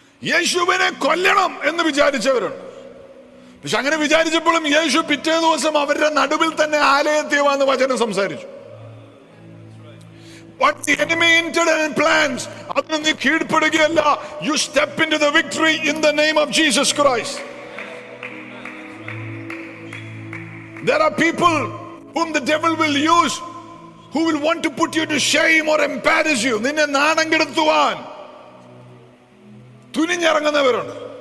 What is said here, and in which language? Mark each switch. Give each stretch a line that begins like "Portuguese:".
Malayalam: യേശുവിനെ കൊല്ലണം എന്ന് വിചാരിച്ചവരുണ്ട്. പക്ഷെ അങ്ങനെ വിചാരിച്ചപ്പോഴും യേശു പിറ്റേ ദിവസം അവരുടെ നടുവിൽ തന്നെ ആലയത്തിൽ വന്ന് വചനം സംസാരിച്ചു.
English: What the enemy intended and plans,
Malayalam: അതിനെ നീ കീഴ്പ്പെടുകയല്ല.
English: You step into the victory in the name of Jesus Christ. There are people whom the devil will use, who will want to put you to shame or embarrass you.
Malayalam: നിന്നെ നാണംകെടുത്തുവാൻ തുനിഞ്ഞിറങ്ങുന്നവരുണ്ട്.